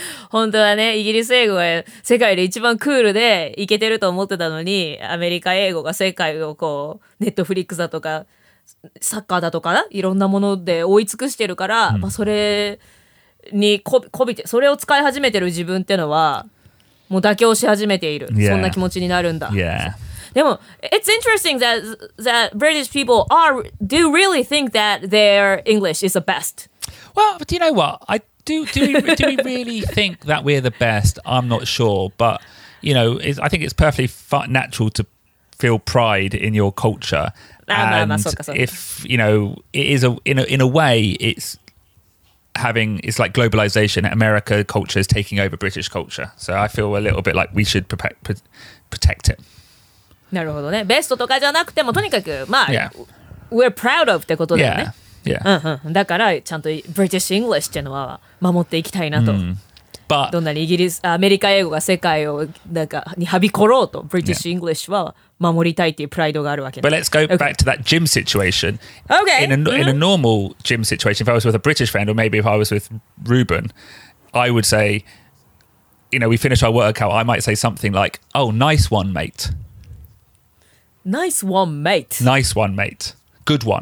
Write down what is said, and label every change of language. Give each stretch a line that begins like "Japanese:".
Japanese: 本当はね、イギリス英語が世界で一番クールでイケてると思ってたのに、アメリカ英語が世界をこう、Netflix だとか、サッカーだとかいろんなもので追い尽くしてるから、うんまあ、それにこびてそれを使い始めてる自分ってのはもう妥協し始めている、
English: yeah.
Japanese: そんな気持ちになるんだ、
English: yeah.
Japanese: でも
English: It's interesting that British people are, do really think that their English is the best. Well, but do you know what? Do we really think that we're the best? I'm not sure. But you know, I think it's perfectly natural to feel pride in your cultureAnd if, you know, it is in a way, it's like globalization. America culture is taking over British culture. So I feel a little bit like we should protect it.
Japanese: なるほどね。ベストとかじゃなくても、とにかく、まあ、
English: yeah. we're proud of
Japanese: ってことだよね。
English: Yeah. Yeah.
Japanese: うんうん、だから、ちゃんと British English っていうのは守っていきたいなと。Mm.
English: But,
Japanese: どんなにイギリス、アメリカ英語が世界をなんかにはびころうと、British English は、yeah. 守りたいっていうプライドがあるわけ、ね、
English: But let's go、okay. back to that gym situation. Okay. In a normal gym situation, if I was with a British friend or maybe if I was with Ruben, I would say, you know, we finish our workout, I might say something like, oh, nice one, mate. Nice one, mate. Nice one, mate. Good one.